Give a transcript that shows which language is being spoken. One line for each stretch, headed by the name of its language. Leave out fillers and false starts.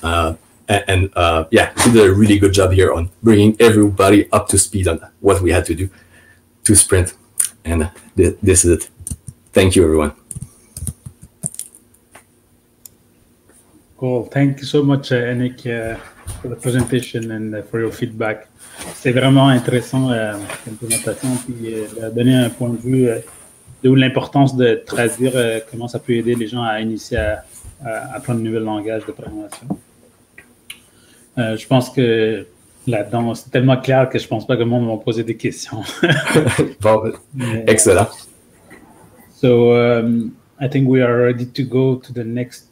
English: She did a really good job here on bringing everybody up to speed on what we had to do to sprint. And this is it. Thank you, everyone. Cool. Thank you so much, Annick, for the presentation and for your feedback.
French: C'est vraiment intéressant, l'implémentation, puis donner un point de vue de l'importance de traduire comment ça peut aider les gens à initier à apprendre un nouvel langage de programmation. Je pense que là-dedans, c'est tellement clair que je pense pas que le monde va poser des questions. Bon, mais, excellent.
English: So, I think we are ready to go to the next...